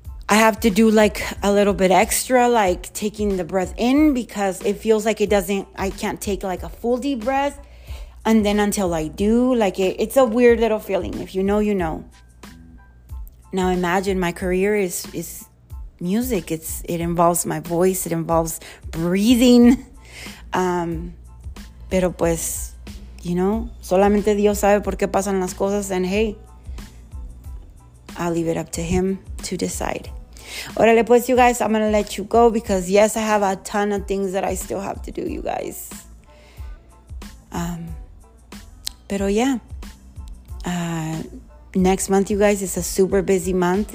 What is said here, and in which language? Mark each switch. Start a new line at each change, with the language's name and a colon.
English: I have to do like a little bit extra, like taking the breath in, because it feels like it doesn't, I can't take like a full deep breath. And then until I do, like it's a weird little feeling. If you know, you know. Now imagine my career is music. It involves my voice. It involves breathing.
Spanish: Pero pues,
English: you know,
Spanish: solamente Dios sabe por qué pasan las cosas.
English: And hey, I'll leave it up to him to decide.
Spanish: Órale pues,
English: you guys, I'm going to let you go because yes, I have a ton of things that I still have to do, you guys. Pero yeah, next month, you guys, is a super busy month.